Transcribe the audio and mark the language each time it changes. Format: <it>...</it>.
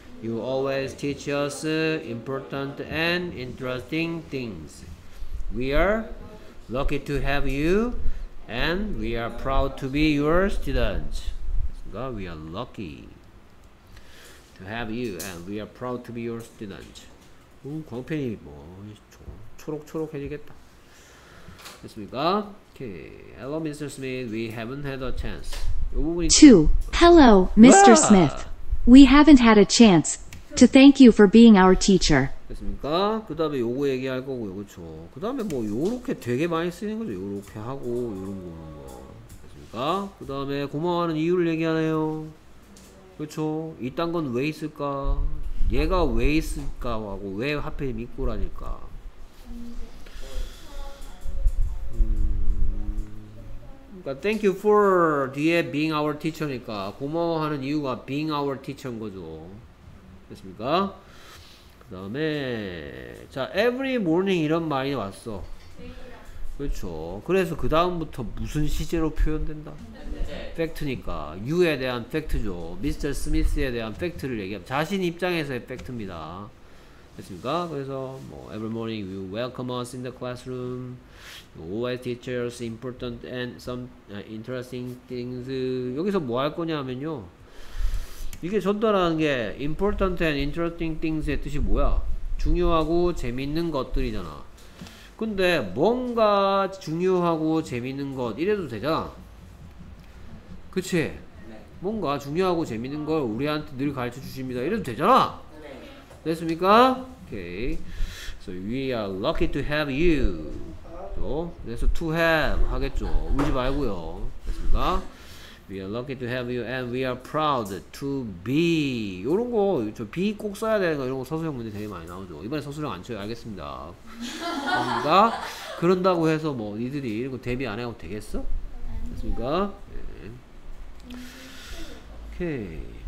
<en>You always teach us important and interesting things. We are lucky to have you, and we are proud to be your student. We are lucky to have you, and we are proud to be your student.</en> <ko>광팬이 뭐 초록초록해지겠다. 됐습니까?</ko> <en>Okay. Hello, Mr. Smith. We haven't had a chance.</en> <ko>이 부분이 2. Hello, Mr. Smith.</ko> <en>We haven't had a chance to thank you for being our teacher.</en> <ko>됐습니까? 그 다음에 요거 얘기할 거고요. 그쵸? 그 다음에 뭐 요렇게 되게 많이 쓰이는 거죠. 요렇게 하고 요런 거 하는 거. 됐습니까? 그 다음에 고마워하는 이유를 얘기하네요. 그쵸? 이딴 건 왜 있을까? 얘가 왜 있을까? 하고 왜 하필 미꾸라니까? 그러니까 thank you for 뒤에</ko> <en>being our teacher</en> <ko>니까 고마워하는 이유가 being our teacher인 거죠. 됐습니까? 그 다음에 자 every morning 이런 말이 왔어. 그렇죠. 그래서 그 다음부터 무슨 시제로 표현된다? 팩트니까 you에 대한 팩트죠. Mr. Smith에 대한 팩트를 얘기합니다. 자신 입장에서의 팩트입니다. 됐습니까? 그래서 뭐</ko> <en>every morning you welcome us in the classroom. You always teach us important and some interesting things.</en> <ko>여기서 뭐 할 거냐면요. 이게 전달하는 게</ko> <en>important and interesting things</en> <ko>의 뜻이 뭐야? 중요하고 재밌는 것들이잖아. 근데 뭔가 중요하고 재밌는 것 이래도 되잖아. 그치? 네. 뭔가 중요하고 재밌는 걸 우리한테 늘 가르쳐 주십니다. 이래도 되잖아. 네. 됐습니까?</ko> <en>Okay. So we are lucky to have you.</en> <ko>그래서 to have 하겠죠. 울지 말고요. 됐습니까?</ko> <en>We are lucky to have you and we are proud to be.</en> <ko>요런 거, 저 be 꼭 써야 되는 거, 이런 거 서술형 문제 되게 많이 나오죠. 이번에 서술형 안 쳐요. 알겠습니다. 그러니까, 그런다고 해서 뭐, 니들이 이런 거 대비 안 해도 되겠어? 됐습니까? 예. 오케이.</ko>